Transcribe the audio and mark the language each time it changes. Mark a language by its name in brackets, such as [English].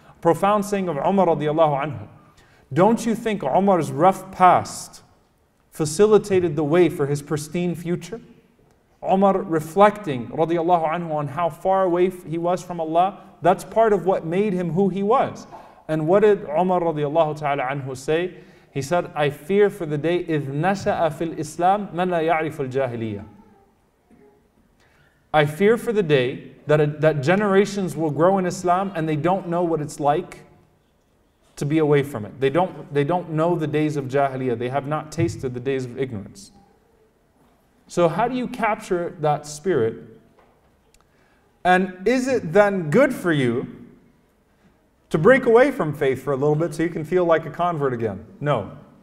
[English] Profound saying of Umar radiallahu anhu. Don't you think Umar's rough past facilitated the way for his pristine future? Umar reflecting radiallahu anhu on how far away he was from Allah, that's part of what made him who he was. And what did Umar radiallahu ta'ala anhu say? He said, I fear for the day, [Arabic] إِذْ نَشَأَ فِي الْإِسْلَامِ مَنْ لَا يَعْرِفُ الْجَاهِلِيَّةِ. [English] I fear for the day that generations will grow in Islam and they don't know what it's like to be away from it. They don't know the days of jahiliyyah. They have not tasted the days of ignorance. So how do you capture that spirit? And is it then good for you to break away from faith for a little bit so you can feel like a convert again? No.